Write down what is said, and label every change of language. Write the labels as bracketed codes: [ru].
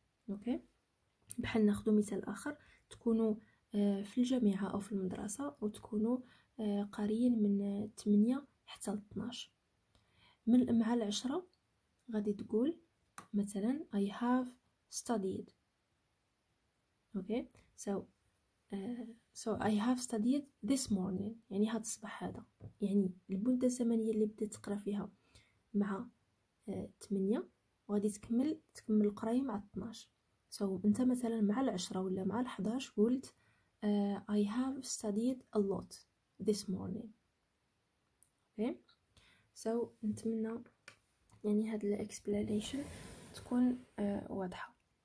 [ar] اوكي، بحال ناخذ مثال اخر، تكونوا في الجامعة او في المدرسة وتكونوا قاريين من 8 حتى 12، من مع 10 غادي تقول مثلا [en] I have studied. okay so I have studied this morning، [ar] يعني هاد الصباح هذا، يعني المدة الزمنية اللي بديت تقرا فيها مع 8 وغادي تكمل القراية مع 12. so انت مثلا مع 10 ولا مع 11 قلت [en] I have studied a lot this morning. okay so [ar] نتمنى يعني هاد الاكسبلانيشن تكون واضحة.